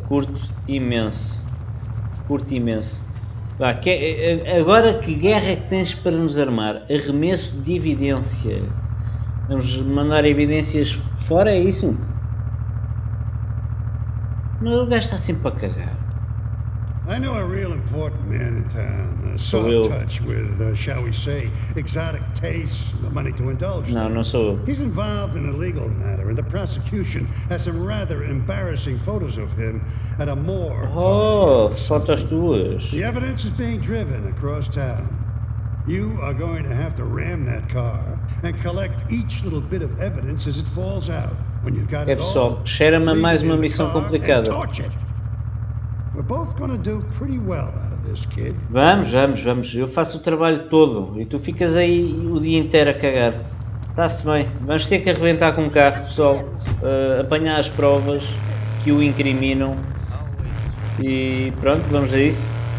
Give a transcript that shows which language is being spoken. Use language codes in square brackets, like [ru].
[pt] Curto imenso. Curto imenso. Vá, agora que guerra que tens para nos armar? Arremesso de evidência. Vamos mandar evidências fora, é isso? Mas o gajo está sempre a cagar. [en] I know a real important man in town, a soft touch with, shall we say, exotic tastes, the money to indulge. No, not so. He's involved in a legal matter, and the prosecution has some rather embarrassing photos of him at a morgue. [pt] Oh, fotos tuas. [en] The evidence is being driven across town. You are going to have to ram that car and collect each little bit of evidence as it falls out. When you've got it all, [pt] cheira-me mais uma missão complicada. [en] We're both gonna do pretty well out of this, kid. [pt] Vamos, vamos, vamos. Eu faço o trabalho todo e tu ficas aí o dia inteiro a cagar. Está-se bem. Vamos ter que arrebentar com o carro, pessoal. Apanhar as provas que o incriminam. E pronto, vamos a isso.